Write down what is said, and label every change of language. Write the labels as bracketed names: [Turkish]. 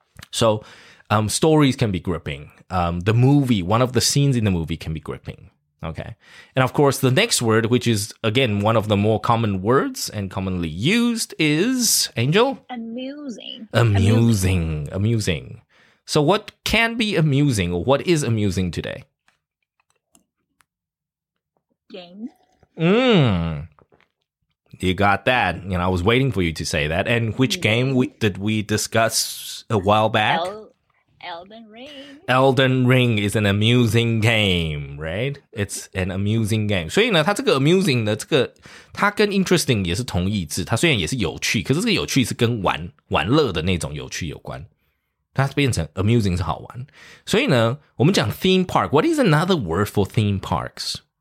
[English] So,stories can be gripping. The movie, one of the scenes in the movie can be gripping. Okay. And of course, the next word, which is, again, one of the more common words and commonly used is, Angel? Amusing. So what can be amusing or what is amusing today? Game. Mm. You got that. You know, I was waiting for you to say that. And which game did we discuss a while back? Elden Ring. Elden Ring is an amusing game, right? It's an amusing game. [Chinese] 所以呢，它这个 amusing 呢，这个它跟 interesting 也是同义字。它虽然也是有趣，可是这个有趣是跟玩乐的那种有趣有关。它变成 amusing 是好玩。所以呢，我们讲 theme park. [English] What is another word for theme parks?